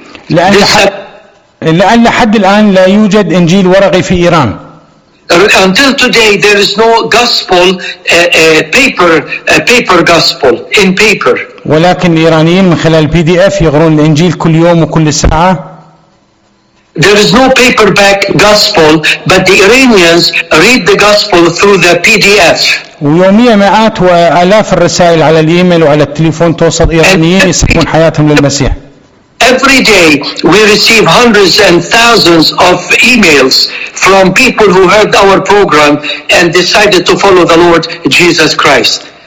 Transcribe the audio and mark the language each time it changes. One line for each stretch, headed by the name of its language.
Arabic: لأن لحد الآن لا يوجد إنجيل ورقي في إيران.
English: Until today, there is no gospel paper gospel in paper.
Arabic: ولكن الإيرانيين من خلال PDF يقرون الإنجيل كل يوم وكل ساعة.
English: There is no paperback gospel, but the Iranians read the gospel through the PDF.
Arabic: ويوميا مئات وآلاف الرسائل على الإيميل وعلى التليفون توصل إيرانيين يسلمون حياتهم للمسيح.
English: Every day we receive hundreds and thousands of emails from people who heard our program and decided to follow the Lord Jesus Christ.